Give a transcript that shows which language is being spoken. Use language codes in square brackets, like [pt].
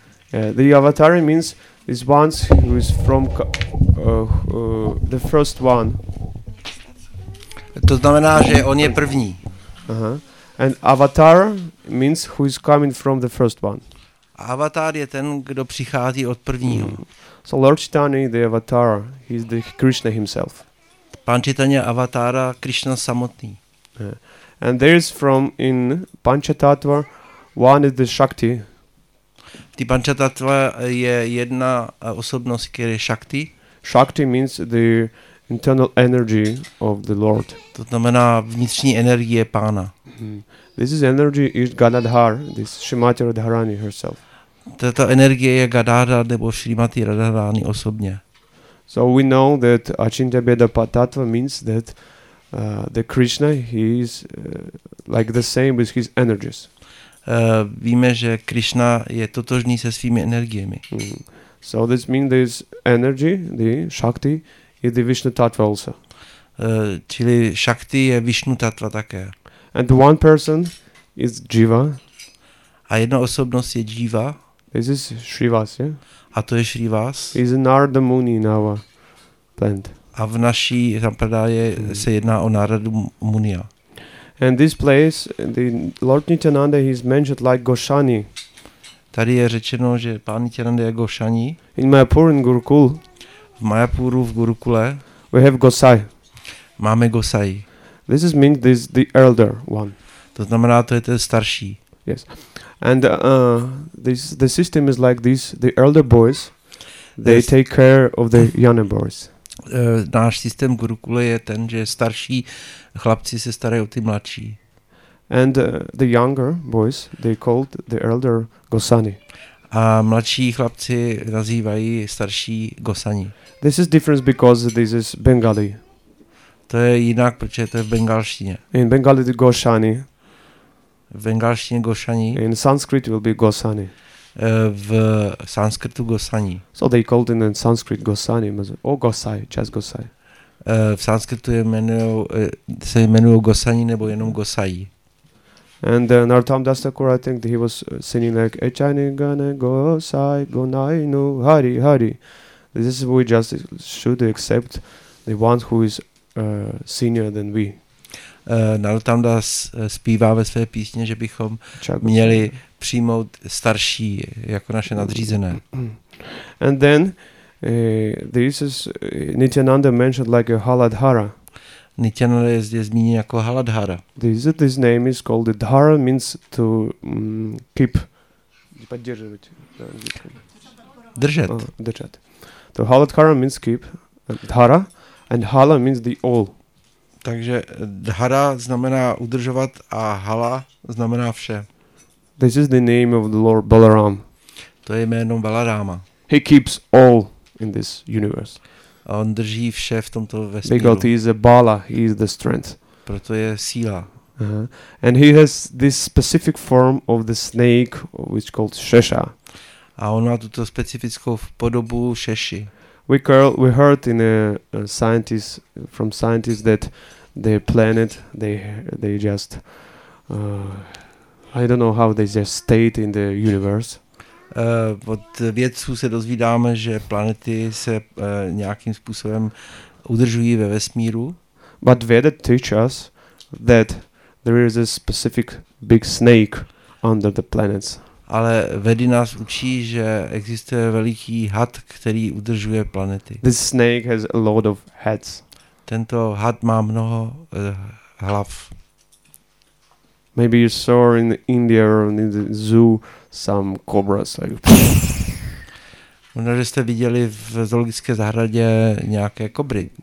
[en] The avatari means this one who is from the first one. [cs] To znamená, že on je první. [en] And avatar means who is coming from the first one. [cs] Avatar je ten, kdo přichází od prvního. [en] So Lord Chaitanya, the avatar, he is the Krishna himself. [cs] Pan Chaitanya avatara Krishna samotný. [en] Yeah. And there is from in Panchatattva one is the Shakti. [cs] Ty Panchatattva je jedna osobnost, která je Shakti. [en] Shakti means the internal energy of the Lord. [cs] To znamená vnitřní energie pána. [en] This is energy is Gadadhar, this Srimati Radharani herself. [cs] Tato energie je Gadadhara nebo Srimati Radharani osobně. [en] So we know that Achintya Bheda Patatva means that the Krishna he is like the same with his energies. [cs] Víme, že Krishna je totožný se svými energiemi. [en] So this means this energy, the Shakti, is the Vishnu Tattva also. [cs] Čili Shakti je Vishnu Tattva také. [en] And one person is Jiva. [cs] A jedna osobnost je Jiva. [en] This is Srivas, yeah? [cs] A to je Srivas. [en] Is Narada Muni in our plant. [cs] A v naší sampradaye se jedná o Narada Munia. [en] And this place, the Lord Nityananda, he is mentioned like Goshani. [cs] Tady je řečeno, že pán Nityananda je Goshani. [en] In Mayapur in Gurukul. [cs] V Mayapuru v Gurukule. [en] We have Gosai. [cs] Máme Gosai. [en] This is means this the elder one. [cs] To znamená, to je ten starší. [en] Yes. And this the system is like this, the elder boys, they take care of the younger boys. [cs] Náš systém Gurukule je ten, že starší chlapci se starají o ty mladší. [en] And the younger boys, they called the elder Gosani. [cs] A mladší chlapci nazývají starší Gosani. [en] This is different because this is Bengali. [cs] To je jinak, protože to je v bengalštině. [en] In Bengali the Gosani. [cs] V bengalštině Goshani. [en] In Sanskrit will be Gosani. [cs] V sanskritu Gosani. [en] So they called in Sanskrit Gosani, but oh Gosai, just Gosai. [cs] v sanskritu se jmenují Gosani nebo jenom Gosai. [en] And Narottam Das Thakur, I think he was singing like Echani Gane Gosai Gunainu Hari Hari. This is we just should accept the one who is senior than we. [cs] Narottam Das zpívá ve své písně, že bychom měli přijmout starší jako naše nadřízené. [en] And then this is Nityananda mentioned like a Haladhara. [cs] Nityananda je zde zmíněn jako Haladhara. [en] This name is called the Dhara, means to keep, [cs] poddržovat. Držet. [en] To Haladhara means keep, Dhara, and Hala means the all. [cs] Takže Dhara znamená udržovat a Hala znamená vše. [en] This is the name of the Lord Balaram. [cs] To je jméno Balarama. [en] He keeps all in this universe. [cs] A on drží vše v tomto vesmíru. [en] Because he is a Bala, he is the strength. [cs] Proto je síla. [en] And he has this specific form of the snake, which is called Shesha. [cs] A on má tuto specifickou podobu Sheshi. [en] We heard in scientists that the planet they just I don't know how they just stayed in the universe. [cs] Od vědců se dozvídáme, že planety se nějakým způsobem udržují ve vesmíru. [en] But Veda teach us that there is a specific big snake under the planets. [cs] Ale Vedy nás učí, že existuje veliký had, který udržuje planety. [en] This snake has a lot of heads. [cs] Tento had má mnoho hlav. [en] Maybe you saw in India or in the zoo some cobras. [cs] Možná jste viděli v zoologické zahradě nějaké kobry.